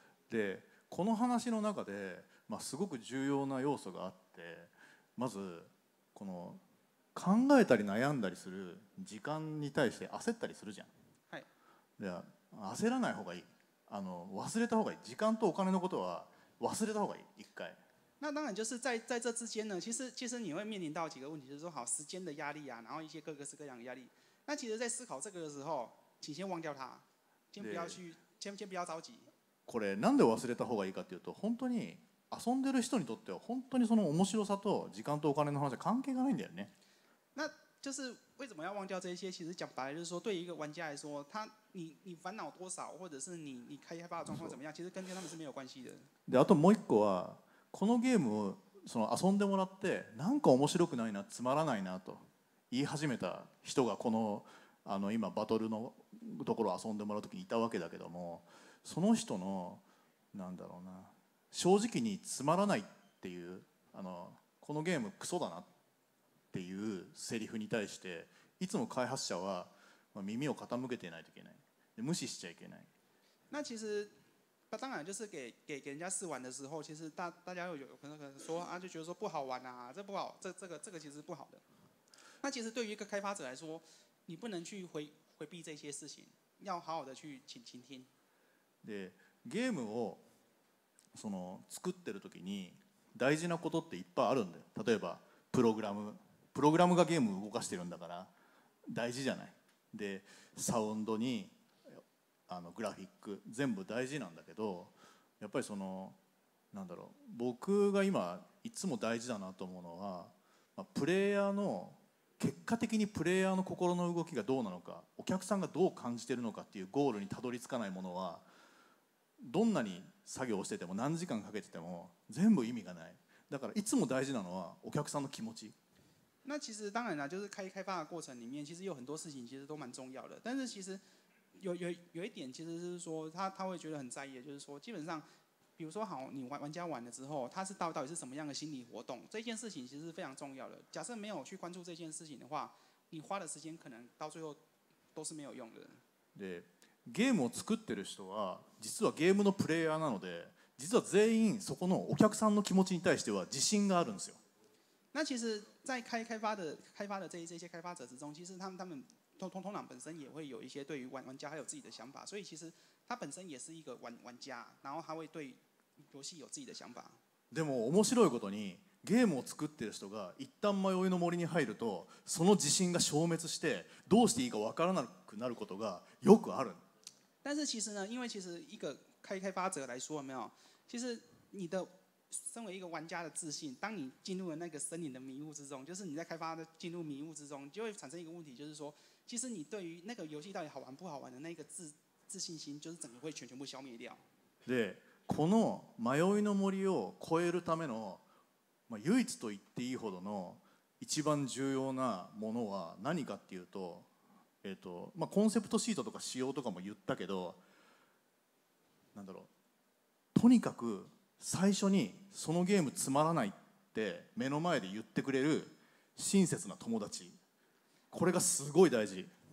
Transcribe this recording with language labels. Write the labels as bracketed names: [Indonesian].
[Japanese] でこの話の中で、まあ、すごく重要な要素があって、まずこの考えたり悩んだりする時間に対して焦ったりするじゃん。はい。で焦らない方がいい。あの忘れた方がいい。時間とお金のことは忘れた方がいい。一回。 [Chinese] 那当然就是在这之间呢，其实你会面临到几个问题，就是说好时间的压力啊，然后一些各个各样的压力。那其实在思考这个的时候，请先忘掉它，先不要去，先不要着急。 [Japanese] これなんで忘れた方がいいかっていうと、本当に遊んでる人にとっては本当にその面白さと時間とお金の話は関係がないんだよね。 [Chinese] 那就是为什么要忘掉这些？其实讲白了就是说，对于一个玩家来说，他你烦恼多少，或者是你开发的状况怎么样，其实跟他们是没有关系的。 [Japanese] であともう一個はこのゲームをその遊んでもらってなんか面白くないな、つまらないなと言い始めた人がこの、 あの今バトルのところを遊んでもらうときにいたわけだけども、その人のなんだろうな、正直につまらないっていう、あのこのゲームクソだなっていうセリフに対していつも開発者は耳を傾けていないといけない、無視しちゃいけない。 [Chinese] 那其实当然就是 给人家试玩的时候，其实 大家 有可能说、啊、就觉得说不好玩啊，这不好，这个其实不好的。那其实对于一个开发者来说，你不能去 回避这些事情，要好好的去倾听。 [Japanese] でゲームをその作ってる時に大事なことっていっぱいあるんだよ。例えばプログラムがゲームを動かしてるんだから大事じゃない。でサウンドにあのグラフィック全部大事なんだけど、やっぱりそのなんだろう、僕が今いつも大事だなと思うのは、まあ、プレイヤーの結果的にプレイヤーの心の動きがどうなのか、お客さんがどう感じてるのかっていうゴールにたどり着かないものはどんなに作業をしてても何時間かけてても全部意味がない。だからいつも大事なのはお客さんの気持ち。 [Chinese] 那其实当然啦，就是开发的过程里面，其实有很多事情其实都蛮重要的，但是其实有一点其实是说他会觉得很在意的，就是说基本上比如说好你 玩家玩了之后，他是到底是什么样的心理活动，这件事情其实是非常重要的。假设没有去关注这件事情的话，你花的时间可能到最后都是没有用的。 [Japanese] でゲームを作ってる人は実はゲームのプレイヤーなので、実は全員そこのお客さんの気持ちに対しては自信があるんですよ。 [Chinese] 那其实在开发的 这些开发者之中，其实他们通常本身也会有一些对于玩家还有自己的想法，所以其实他本身也是一个玩家，然后他会对游戏有自己的想法。 [Japanese] でも面白いことにゲームを作ってる人が一旦迷いの森に入るとその自信が消滅して、どうしていいか分からなくなることがよくある。 [Chinese] 但是其实呢，因为其实一个开发者来说，没有，其实你的身为一个玩家的自信，当你进入了那个森林的迷雾之中，就是你在开发的进入迷雾之中，就会产生一个问题，就是说其实你对于那个游戏到底好玩不好玩的那个 自信心就是整个会全部消灭掉。 [Japanese] でこの迷いの森を越えるための、まあ、唯一と言っていいほどの一番重要なものは何かっていうと、まあ、コンセプトシートとか仕様とかも言ったけど、なんだろう、とにかく最初にそのゲームつまらないって目の前で言ってくれる親切な友達、これがすごい大事。